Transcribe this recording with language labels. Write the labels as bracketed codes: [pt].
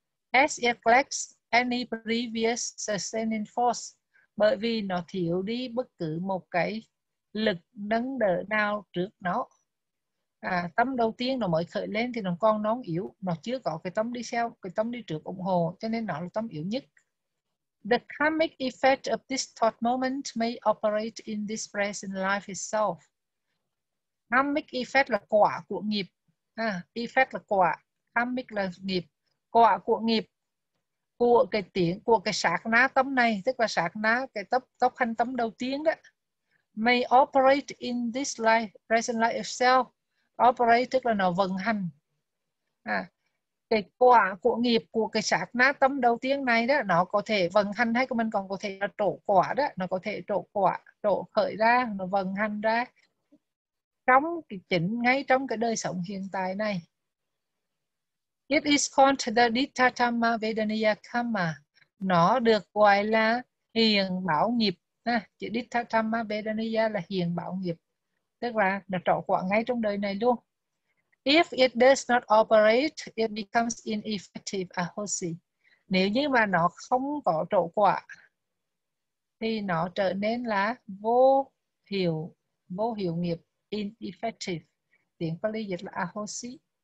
[en] As it lacks any previous sustaining force, [vi] bởi vì nó thiếu đi bất cứ một cái lực nâng đỡ nào trước nó. À, tâm đầu tiên nó mới khởi lên thì nó còn non yếu, nó chưa có cái tâm đi theo, cái tâm đi trước ủng hộ, cho nên nó là tâm yếu nhất. [en] The karmic effect of this thought moment may operate in this present life itself. [vi] Karmic effect là quả của nghiệp. À, effect là quả. Karmic là nghiệp. Quả của nghiệp của cái tiếng, của cái sát na tâm này, tức là sát na, cái tốc hành tâm đầu tiên đó, [en] may operate in this life, present life itself. [vi] Operate tức là nó vận hành. À, cái quả của nghiệp của cái sát na tâm đầu tiên này đó, nó có thể vận hành, hay của mình còn có thể là trổ quả đó, nó có thể trổ quả, trổ khởi ra, nó vận hành ra trong cái chỉnh, ngay trong cái đời sống hiện tại này. [en] It is called the Dittatama Vedaniya Karma. [vi] Nó được gọi là hiền bảo nghiệp. À, chữ Dittatama Vedaniya là hiền bảo nghiệp, tức là nó trổ quả ngay trong đời này luôn. [en] If it does not operate, it becomes ineffective, ahosi. [vi] Nếu như mà nó không có trổ quả thì nó trở nên là vô hiệu nghiệp, ineffective. Tiếng Pali dịch là ahosi.